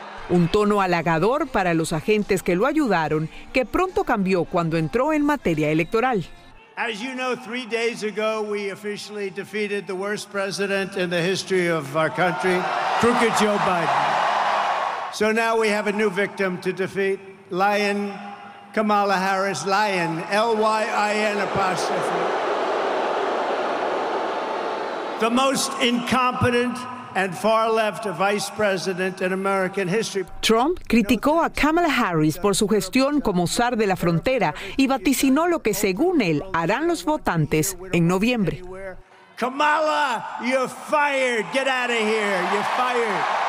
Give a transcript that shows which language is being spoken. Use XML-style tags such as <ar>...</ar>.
<es>Un tono halagador para los agentes que lo ayudaron, que pronto cambió cuando entró en materia electoral.</es> <en>As you know, 3 days ago, we officially defeated the worst president in the history of our country, crooked Joe Biden. So now we have a new victim to defeat, Lion Kamala Harris, Lion, L-Y-I-N apostrophe. The most incompetent and far left vice president in American history.</en> <es>Trump criticó a Kamala Harris por su gestión como zar de la frontera y vaticinó lo que, según él, harán los votantes en noviembre.</es> <en>Kamala, you're fired. Get out of here. You're fired.</en>